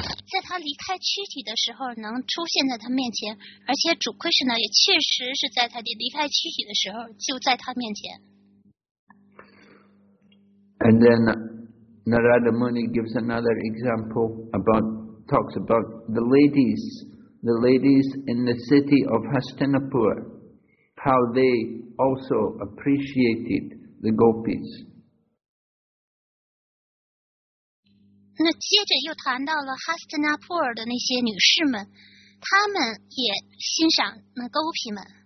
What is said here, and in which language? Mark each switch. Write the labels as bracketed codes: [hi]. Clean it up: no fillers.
[zh] 在他离开躯体的时候能出现在他面前，而且主 Krishna 也确实是在他离开躯体的时候就在他面前。 [en] And then Narada Muni gives another example about talks about the ladies in the city of Hastinapur, how they also appreciated the gopis. [zh] 那接着又谈到了哈斯特纳普尔的那些女士们，她们也欣赏那勾皮们。